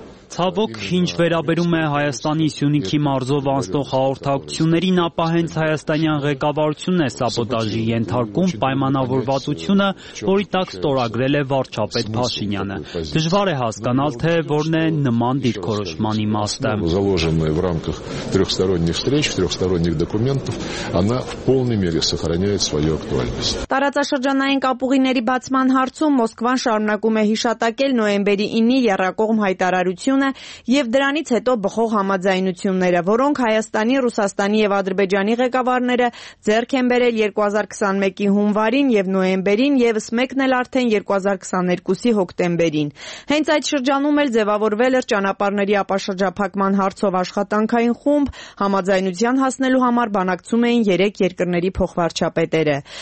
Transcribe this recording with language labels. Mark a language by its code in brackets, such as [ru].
[hy] Ցավոք, ինչ վերաբերում է Հայաստանի Սյունիքի մարզով անցնող հաղորդակցություններին, ապա հենց հայաստանյան ղեկավարությունն է սաբոտաժի ենթարկում պայմանավորվածությունը, որի տակ ստորագրել է վարչապետ Փաշինյանը։ Դժվար է հասկանալ, թե որն է նման դիրքորոշման իմաստը։ [ru] Заложенная в рамках трёхсторонних встреч, трёхсторонних документов, она в полной мере сохраняет свою актуальность։ [hy] Տարածաշրջանային կապուղիների բացման հարցում Մոսկվան շարունակում է հիշատակել նոեմբերի 9-ի եռակողմ հայտարարությունը և դրանից հետո բխող համաձայնությունները, որոնք Հայաստանի, Ռուսաստանի և Ադրբեջանի ղեկավարները ձեռք են բերել 2021-ի հունվարին և նոեմբերին, եւս մեկն էլ արդեն 2022-ի հոկտեմբերին։ Հենց այդ շրջանում էլ ձևավորվել էր ճանապարհների ապաշրջափակման հարցով աշխատանքային խումբ, համաձայնության հասնելու համար բանակցում էին երեք երկրների փոխվարչապետերը։